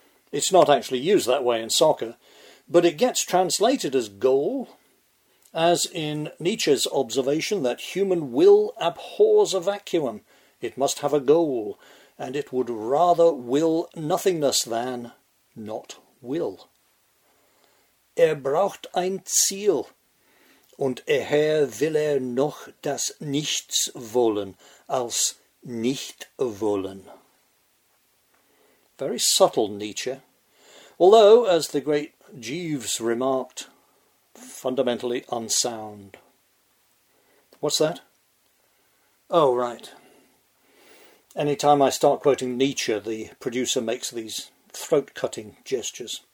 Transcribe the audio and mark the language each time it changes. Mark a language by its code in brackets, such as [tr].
[en] It's not actually used that way in soccer, but it gets translated as goal, as in Nietzsche's observation that human will abhors a vacuum. It must have a goal, and it would rather will nothingness than not will. [de] Braucht ein Ziel, und eher will noch das Nichts wollen als nicht wollen. [en] Very subtle, Nietzsche. Although, as the great Jeeves remarked, fundamentally unsound. What's that? Oh, right. Any time I start quoting Nietzsche, the producer makes these throat-cutting gestures.